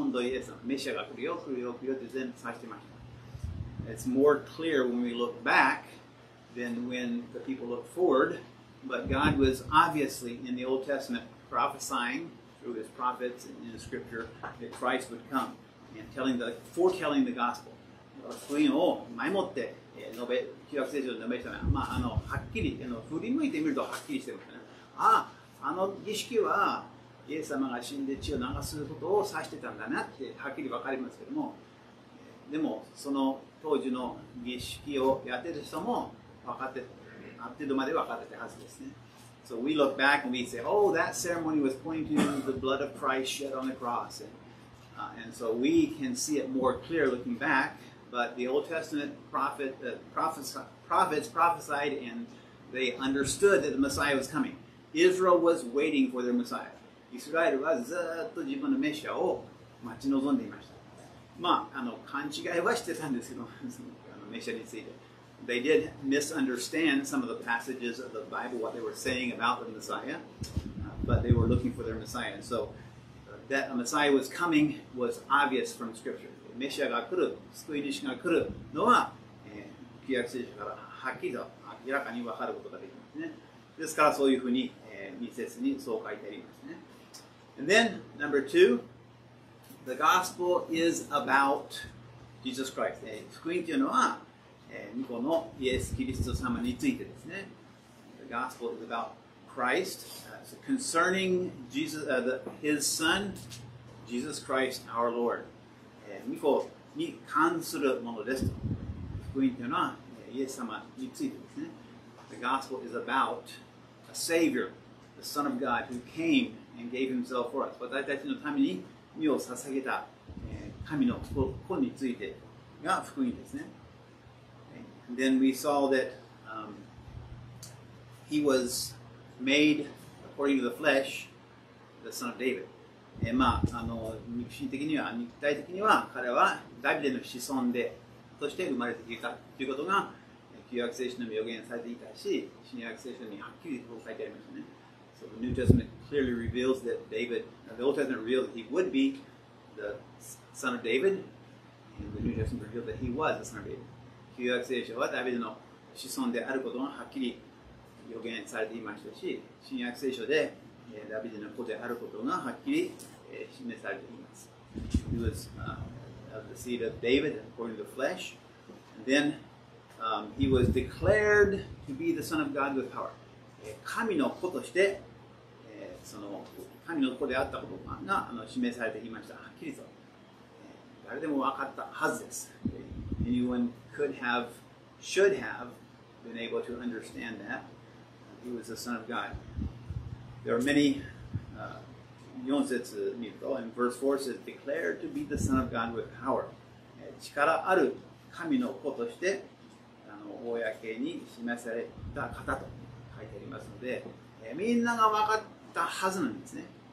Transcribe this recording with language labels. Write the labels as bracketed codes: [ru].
[ja] 今度イエス様、メシアが来るよ、来るよ、来るよって全部指してました。 [en] It's more clear when we look back than when the people look forward. But God was obviously in the Old Testament prophesying through his prophets and in the scripture that Christ would come and foretelling the gospel. [ja] 福音を前もって述べ、旧約聖書で述べたのは、まあ、はっきり、振り向いてみるとはっきりしてますね。儀式はイエス様が死んで血を流すことを指してたんだなってはっきりわかりますけども、でもその当時の儀式をやってる人も分かってた、ある程度まで分かってたはずですね。 [en] So we look back and we say, oh, that ceremony was pointing to the blood of Christ shed on the cross. And so we can see it more clear looking back, but the Old Testament prophets prophesied and they understood that the Messiah was coming. Israel was waiting for their Messiah. [ja] イスラエルはずっと自分のメシアを待ち望んでいました。まあ、勘違いはしてたんですけど、メシアについて。 [en] They did misunderstand some of the passages of the Bible, what they were saying about the Messiah, but they were looking for their Messiah. And so, that a Messiah was coming was obvious from Scripture. [ja] メシアが来る、救い主が来るのは、旧約聖書からはっきりと明らかに分かることができますね。ですから、そういうふうに、密接にそう書いてありますね。 [en] And then, number two,The gospel is about Jesus Christ. [ja] 福音というのは、御子のイエス・キリスト様についてですね。 [en] The gospel is about Christ. So concerning Jesus, his son, Jesus Christ, our Lord. [ja] 御子に関するものです。福音というのは、イエス様についてですね。 [en] The gospel is about a Savior, the Son of God, who came and gave himself for us. [ja] 私たちのために身を捧げた神の子についてが福音ですね。 [en] And、then we saw that、he was made according to the flesh, the son of David. [ja] まあ、肉親的には、肉体的には彼はダビデの子孫で、として生まれてきたということが旧約聖書にも予言されていたし、新約聖書にはっきりと書いてありましたね。 [en] So the New Testament clearly reveals that David, the Old Testament revealed that he would be the son of David, and the New Testament revealed that he was the son of David. [ja] 旧約聖書はダビデの子孫であることがはっきり予言されていましたし、新約聖書でダビデの子であることがはっきり示されています。 [en] He was of the seed of David according to the flesh. And then he was declared to be the Son of God with power. [ja] 神の子として、その神の子であったことが示されていました。はっきりと。誰でも分かったはずです。 [en] Anyone could have, should have been able to understand that. He was the Son of God. There are many, [ja] 4節見ると、 [en] in verse 4 says, declared to be the Son of God with power. [ja] 力ある神の子として、公に示された方と書いてありますので、みんなが分かったはずなんですね。